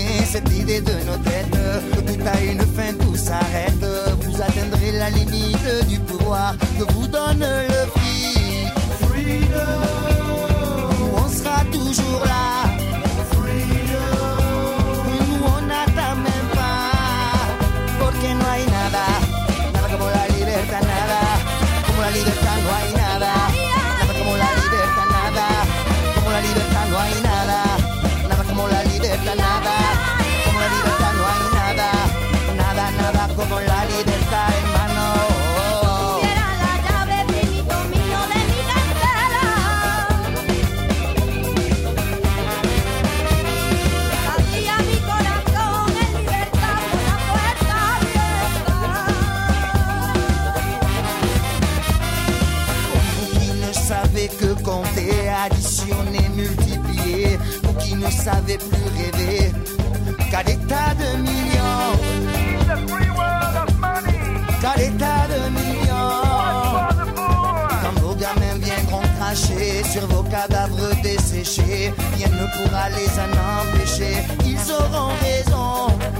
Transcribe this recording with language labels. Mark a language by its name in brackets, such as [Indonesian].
[French] Cette idée de nos têtes, que tout a une fin, tout s'arrête. Vous atteindrez la limite du pouvoir que vous donne le prix. [English] Freedom. [French] On sera toujours là. [English] Freedom. [French] Nous on n'attend même pas. [Spanish] Porque no hay nada. Nada como la libertad, nada. Como la libertad, no hay nada. Nada como la libertad, nada. Como la libertad, no hay nada. Nada como la libertad, nada. Como la libertad, hermano. Quisiera la llave, primito mío, de mi cancela. Abría mi corazón en libertad con la puerta abierta. [French] Pour qui ne savait que compter, additionner, multiplier. Pour qui ne savait plus rêver qu'à l'état de millions. Car l'état de millions, quand vos gamins viendront cracher sur vos cadavres desséchés, rien ne pourra les en empêcher, ils auront raison.